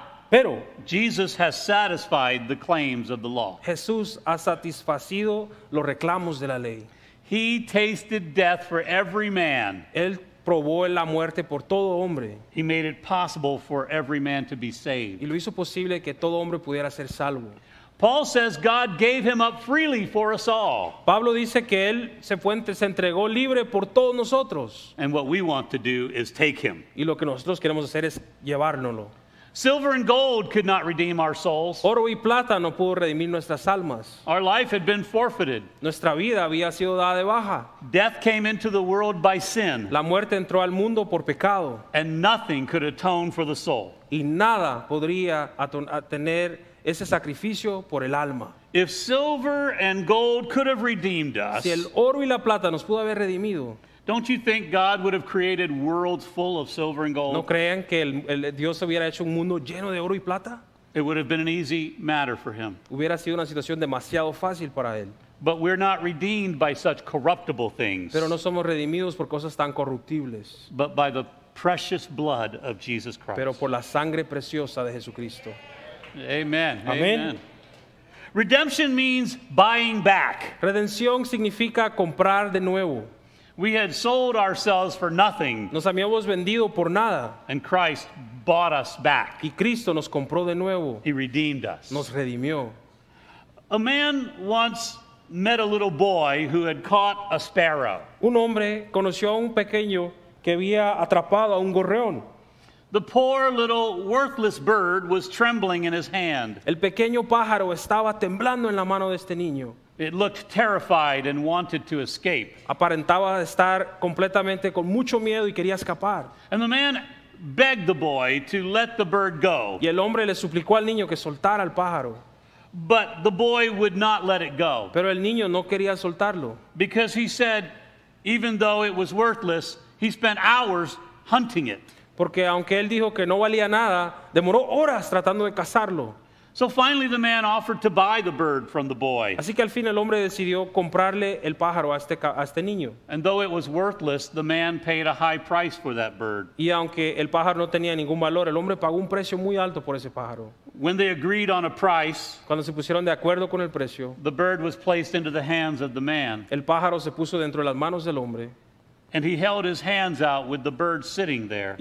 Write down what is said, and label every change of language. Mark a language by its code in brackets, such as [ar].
[es] Pero [en] Jesus has satisfied the claims of the law. [es] Jesús ha satisfacido los reclamos de la ley. [en] He tasted death for every man. [es] Él probó la muerte por todo hombre. [en] He made it possible for every man to be saved. [es] Y lo hizo posible que todo hombre pudiera ser salvo. [en] Paul says God gave him up freely for us all. [es] Pablo dice que él se entregó libre por todos nosotros. [en] And what we want to do is take him. [es] Y lo que nosotros queremos hacer es llevárnoslo. [en] Silver and gold could not redeem our souls. [es] Oro y plata no pudo redimir nuestras almas. [en] Our life had been forfeited. [es] Nuestra vida había sido dada de baja. [en] Death came into the world by sin. [es] La muerte entró al mundo por pecado. [en] And nothing could atone for the soul. [es] Y nada podría tener ese sacrificio por el alma. [en] If silver and gold could have redeemed us, [es] si el oro y la plata nos pudo haber redimido, [en] don't you think God would have created worlds full of silver and gold? [es] ¿No creen que Dios hubiera hecho un mundo lleno de oro y plata? [en] It would have been an easy matter for him. [es] Hubiera sido una situación demasiado fácil para él. [en] But we're not redeemed by such corruptible things. [es] Pero no somos redimidos por cosas tan corruptibles. [en] But by the precious blood of Jesus Christ. [es] Pero por la sangre preciosa de Jesucristo. [en] Amen. Amen. Amen. Redemption means buying back. [es] Redención significa comprar de nuevo. [en] We had sold ourselves for nothing. [es] Nos habíamos vendido por nada. [en] And Christ bought us back. [es] Y Cristo nos compró de nuevo. [en] He redeemed us. [es] Nos redimió. [en] A man once met a little boy who had caught a sparrow. [es] Un hombre conoció a un pequeño que había atrapado a un gorrión. [en] The poor little worthless bird was trembling in his hand. [es] El pequeño pájaro estaba temblando en la mano de este niño. [en] It looked terrified and wanted to escape. [es] Aparentaba estar completamente con mucho miedo y quería escapar. [en] And the man begged the boy to let the bird go. [es] Y el hombre le suplicó al niño que soltara al pájaro. [en] But the boy would not let it go. [es] Pero el niño no quería soltarlo. [en] Because he said, even though it was worthless, he spent hours hunting it. [es] Porque aunque él dijo que no valía nada, demoró horas tratando de cazarlo. [en] So finally the man offered to buy the bird from the boy. [es] Así que al fin el hombre decidió comprarle el pájaro a este niño. [en] And though it was worthless, the man paid a high price for that bird. [es] Y aunque el pájaro no tenía ningún valor, el hombre pagó un precio muy alto por ese pájaro. [en] When they agreed on a price, [es] cuando se pusieron de acuerdo con el precio, [en] the bird was placed into the hands of the man. [es] El pájaro se puso dentro de las manos del hombre. [en] And he held his hands out with the bird sitting there.